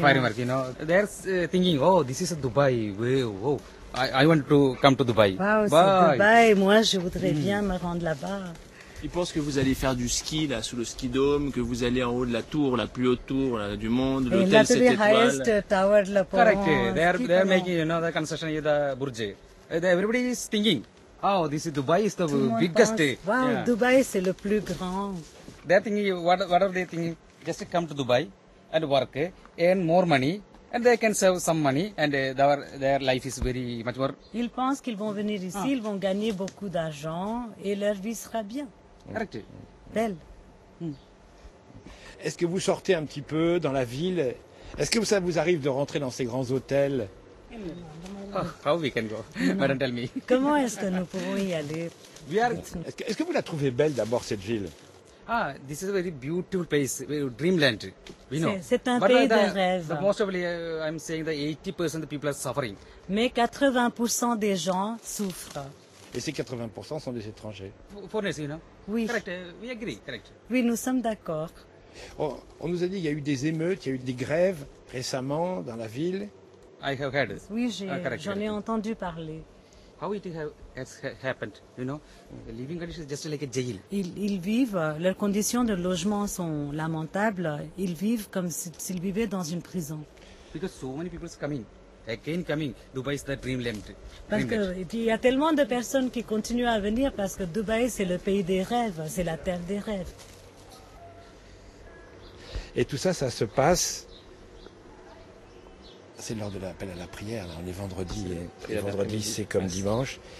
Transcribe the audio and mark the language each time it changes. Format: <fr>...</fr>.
<en>Firework, you know. They're thinking, oh, this is Dubai. Wow. I want to come to Dubai.</en> <fr>Wow, c'est Dubai. Moi, je voudrais bien me rendre là-bas. Ils pensent que vous allez faire du ski là sous le ski dôme, que vous allez en haut de la tour, la plus haute tour là, du monde, l'hôtel 7 étoiles.</fr> <en>Highest tower là. Correct. They are making, you know, the construction of the Burj. Everybody is thinking, oh, this is Dubai, is the tout biggest.</en> <fr>Wow, yeah. Dubai c'est le plus grand.</fr> <en>They are thinking, what are they thinking? Just come to Dubai and work, earn more money. And they can save some money and their life is very much more.</en> <fr>Ils pensent qu'ils vont venir ici, ils vont gagner beaucoup d'argent et leur vie sera bien.</fr> <en>Correct.</en> <fr>Belle. Est-ce que vous sortez un petit peu dans la ville? Est-ce que ça vous arrive de rentrer dans ces grands hôtels?</fr> <en>Oh, how we can go? Madam, tell me.</en> <fr>Comment est-ce que nous pouvons y aller? Est-ce que vous la trouvez belle d'abord, cette ville?</fr> <en>Ah, this is a very beautiful place, dreamland, we know.</en> <fr>C'est un pays de rêve.</fr> <en>But most probably, I'm saying that 80% of the people are suffering.</en> <fr>Mais 80% des gens souffrent. Et ces 80% sont des étrangers.</fr> <en>Foreigners, you know?</en> <fr>Oui.</fr> <en>Correct, we agree, correct.</en> <fr>Oui, nous sommes d'accord. On nous a dit qu'il y a eu des émeutes, il y a eu des grèves récemment dans la ville.</fr> <en>I have heard.</en> <fr>Oui, j'en ai entendu parler.</fr> <en>How it has happened, you know? The living conditions are just like a jail.</en> <fr>Ils vivent, leurs conditions de logement sont lamentables. Ils vivent comme s'ils vivaient dans une prison.</fr> <en>Because so many people are coming, again coming. Dubai is the dreamland.</en> <fr>Parce qu'il y a tellement de personnes qui continuent à venir parce que Dubaï, c'est le pays des rêves, c'est la terre des rêves. Et tout ça, ça se passe. C'est l'heure de l'appel à la prière, là. On est vendredi, et vendredi c'est comme dimanche.</fr>